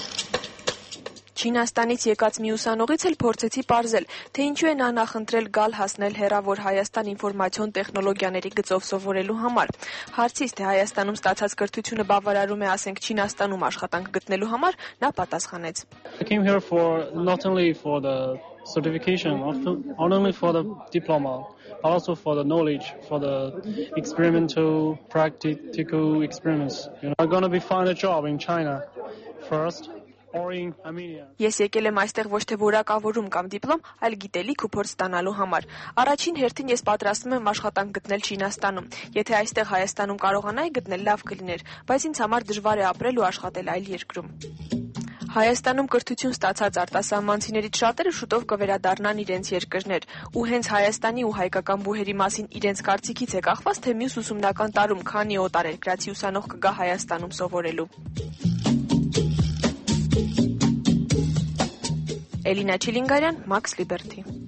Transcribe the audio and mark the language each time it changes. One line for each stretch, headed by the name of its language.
Armenian: Չինաստանից եկած մի ուսանողից էլ փորձեցի պարզել, թե ինչու են անախնդրել գալ հասնել հեռավոր Հայաստան ինֆորմացիոն տեխնոլոգիաների գծով սովորելու համար։ Հարցիս, թե Հայաստանում ստացած կրթությունը բավարարում է, ասենք, Չինաստանում աշխատանք գտնելու համար, նա պատասխանեց.
English: I came here for not only for the certification, not only for the diploma, but also for the knowledge, for the experimental practical experiments. You know, I'm going to be find a job in China first.
Armenian: Ես եկել եմ այստեղ ոչ թե որակավորում կամ դիպլոմ, այլ գիտելիք ու փորձ ստանալու համար։ Առաջին հերթին ես պատրաստվում եմ աշխատանք գտնել Չինաստանում։ Եթե այստեղ Հայաստանում կարողանայի գտնել, լավ կլիներ, բայց ինձ համար դժվար է ապրել ու աշխատել այլ երկրում։ Հայաստանում կրթություն ստացած արտասահմանցիներից շատերը շուտով կվերադառնան իրենց երկրներ, ու հենց Հայաստանի ու հայկական բուհերի մասին իրենց կարծիքից է կախված, թե մյուս ուսումնական տարում քանի օտար երկրացի ուսանող կգա Հայաստանում սովորելու։ Էլինա Չիլինգարյան, Մաքս Լիբերտի։